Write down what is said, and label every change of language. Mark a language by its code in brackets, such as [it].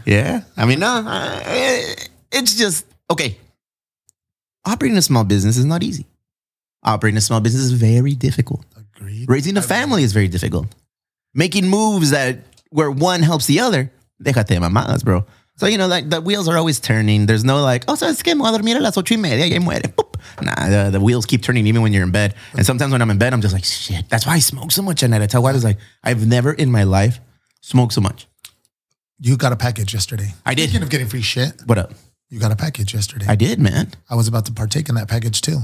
[en] Yeah? I mean, no. It's just, okay. Operating a small business is not easy. Operating a small business is very difficult. Agreed. Raising a family is very difficult. Making moves that where one helps the other, [es] déjate de mamadas, [en] bro. So, you know, like the wheels are always turning. There's no like, oh, [es] sabes que me voy a dormir a las 8:30 y muere. Boop. [en] Nah, the wheels keep turning even when you're in bed. And sometimes when I'm in bed, I'm just like, shit, that's why I smoke so much at night. I tell wife, like, I've never in my life smoked so much. You got a package yesterday. I did. Speaking of getting free shit. What up? You got a package yesterday. I did, man. I was about to partake in that package too.